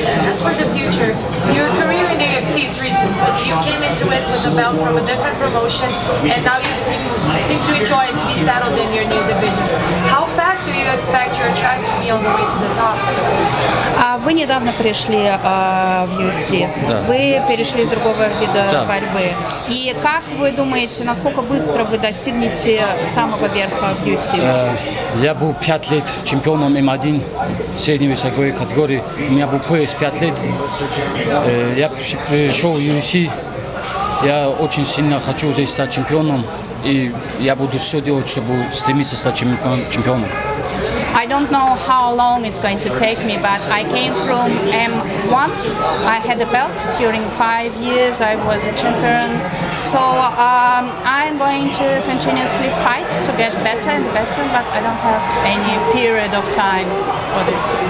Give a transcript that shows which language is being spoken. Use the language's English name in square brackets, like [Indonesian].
[English] As for the future, your career in AFC is recent, but you came into it with a belt from a different promotion, and now you seem to enjoy it to be settled in your new division. How fast do you expect your track to be on the way to the top? [Russian] Вы недавно пришли в UFC. Да. Вы перешли из другого вида, да, борьбы. И как вы думаете, насколько быстро вы достигнете самого верха в UFC? Я был 5 лет чемпионом М1 в средней весовой категории. У меня был пояс 5 лет. Я пришел в UFC. Я очень сильно хочу здесь стать чемпионом. И я буду все делать, чтобы стремиться стать чемпионом. [English] I don't know how long it's going to take me, but I came from M1. I had a belt during 5 years. I was a champion. So I'm going to continuously fight to get better and better, but I don't have any period of time for this.